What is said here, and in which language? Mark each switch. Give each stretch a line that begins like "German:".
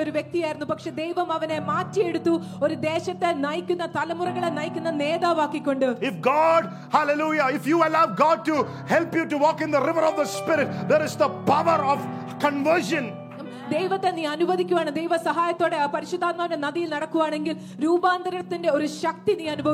Malayalam: ഒരു വ്യക്തിയായിരുന്നു, പക്ഷെ ദൈവം അവനെ മാറ്റിയെടുത്തു, ഒരു ദേശത്തെ നയിക്കുന്ന തലമുറകളെ നയിക്കുന്ന നേതാവാക്കിക്കൊണ്ട്.
English: If God, hallelujah, if you allow God to help you to walk in the river of the Spirit, there is the power of conversion.
Malayalam: ദൈവത്തെ നീ അനുവദിക്കുവാണ്, ദൈവ സഹായത്തോടെ ആ പരിശുദ്ധാത്മാവിന്റെ നദിയിൽ നടക്കുവാണെങ്കിൽ രൂപാന്തരത്തിന്റെ ഒരു ശക്തി നീ